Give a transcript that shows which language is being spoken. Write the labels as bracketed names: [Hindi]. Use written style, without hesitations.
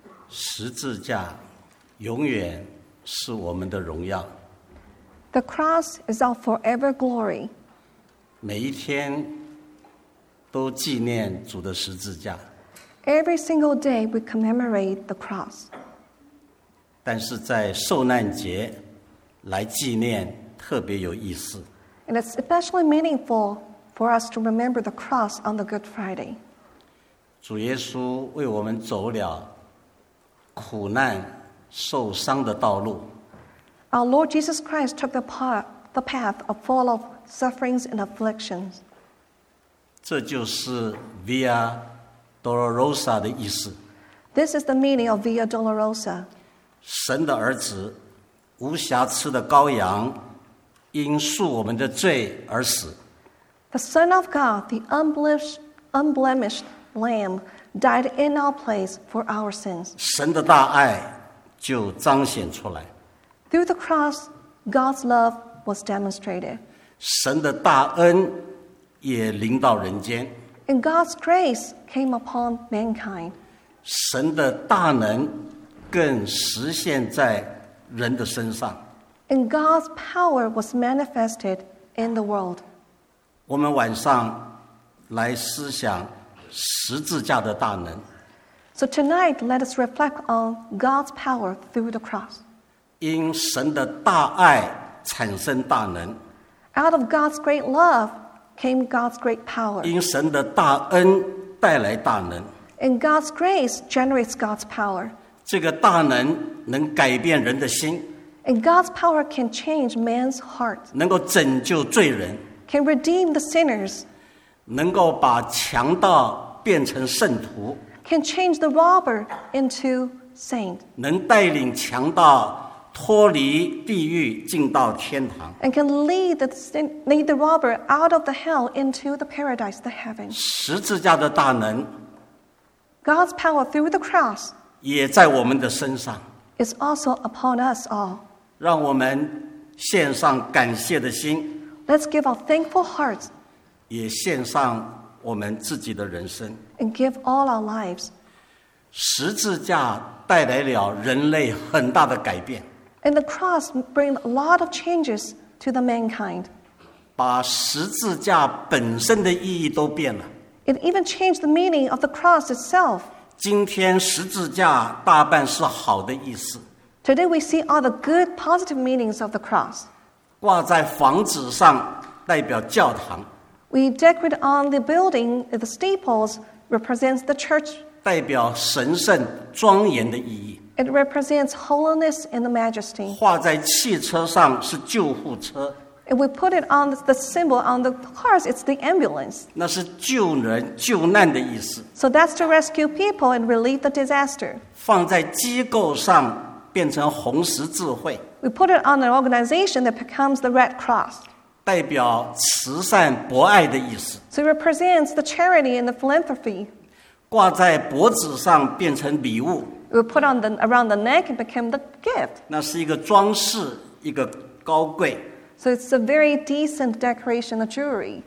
[Chinese] 十字架永远是我们的荣耀。 [English] The cross is our forever glory. [Chinese] 每一天都纪念主的十字架。 [English] Every single day we commemorate the cross. [Chinese] 但是在受难节来纪念特别有意思。 [English] And it's especially meaningful for us to remember the cross on the Good Friday. [Chinese] 主耶稣为我们走了苦难受伤的道路。 [English] Our Lord Jesus Christ took the path of full of sufferings and afflictions. [Chinese] 这就是 Via Dolorosa 的意思。 [English] This is the meaning of Via Dolorosa. [Chinese] 神的儿子，无瑕疵的羔羊，因赎我们的罪而死。 [English] The Son of God, the unblemished Lamb, died in our place for our sins. [Chinese] 神的大爱就彰显出来。 [English] Through the cross, God's love was demonstrated. [Chinese] 神的大恩也临到人间。 [English] And God's grace came upon mankind. [Chinese] 神的大能更实现在人的身上。 [English] And God's power was manifested in the world. [Chinese] 我们晚上来思想十字架的大能。 [English] So tonight, let us reflect on God's power through the cross. [Chinese] 因神的大爱产生大能。 [English] Out of God's great love came God's great power. [Chinese] 因神的大恩带来大能。 [English] And God's grace generates God's power. [Chinese] 这个大能能改变人的心。 [English] And God's power can change man's heart. [Chinese] 能够拯救罪人。 [English] Can redeem the sinners. [Chinese] 能够把强盗变成圣徒。 [English] Can change the robber into saint. [Chinese] 能带领强盗脱离地狱进到天堂。 [English] And can lead the robber out of the hell into the paradise, the heaven. [Chinese] 十字架的大能。 [English] God's power through the cross. [Chinese] 也在我们的身上。 [English] Is also upon us all. [Chinese] 让我们献上感谢的心。 [English] Let's give our thankful hearts. [Chinese] 也献上我们自己的人生。 [English] And give all our lives. [Chinese] 十字架带来了人类很大的改变。 [English] And the cross brings a lot of changes to the mankind. [Chinese] 把十字架本身的意义都变了。 [English] It even changed the meaning of the cross itself. [Chinese] 今天十字架大半是好的意思。 [English] Today we see all the good positive meanings of the cross. [Chinese] 挂在房子上代表教堂。 [English] We decorate on the building, the steeples represents the church. [Chinese] 代表神圣庄严的意义。 [English] It represents holiness and the majesty. [Chinese] 画在汽车上是救护车。 [English] And we put it on the symbol on the cars, it's the ambulance. [Chinese] 那是救人救难的意思。 [English] So that's to rescue people and relieve the disaster. [Chinese] 放在机构上变成红十字会。 [English] We put it on an organization that becomes the Red Cross. [Chinese] 代表慈善博爱的意思。 [English] So it represents the charity and the philanthropy. [Chinese] 挂在脖子上变成礼物。 [English] It was put on the, around the neck and became the gift. [Chinese] 那是一个装饰，一个高贵。 [English] So it's a very decent decoration of jewelry.